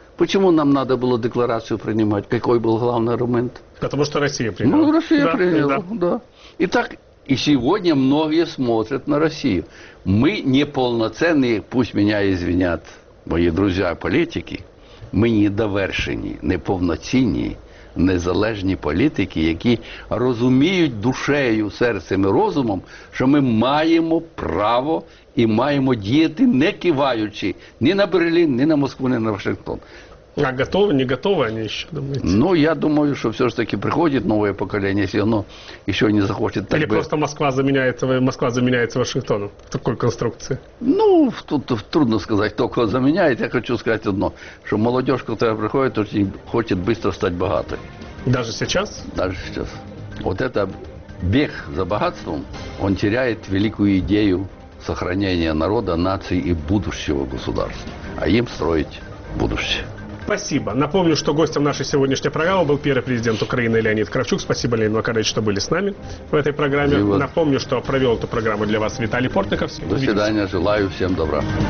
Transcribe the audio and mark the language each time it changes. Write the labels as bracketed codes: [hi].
[ru] Почему нам надо было декларацию принимать? Какой был главный аргумент? Потому что Россия приняла. Россия приняла. Итак, и сегодня многие смотрят на Россию. Мы неполноценные, пусть меня извинят мои друзья-политики, мы [uk] недовершені, неповноцінні. Незалежні політики, які розуміють душею, серцем і розумом, що ми маємо право і маємо діяти, не киваючи ні на Берлін, ні на Москву, ні на Вашингтон. А готові, не готові вони ще думають? Я думаю, що все ж таки приходить нове покоління, якщо воно ще не захоче так би. Або просто Москва заміняється Вашингтоном в такій конструкції? Тут трудно сказати, хто кого заміняє. Я хочу сказати одно, що молодіж, яка туди приходить, дуже хоче швидко стати багатою. Навіть зараз? Навіть зараз. От цей біг за багатством, він втрачає велику ідею зберігання народу, нації і майбутнього государства. А їм будувати майбутнє. [ru] Спасибо. Напомню, что гостем нашей сегодняшней программы был первый президент Украины Леонид Кравчук. Спасибо, Леонид Макарович, что были с нами в этой программе. Спасибо. Напомню, что провел эту программу для вас Виталий Портников. До свидания. Желаю всем добра.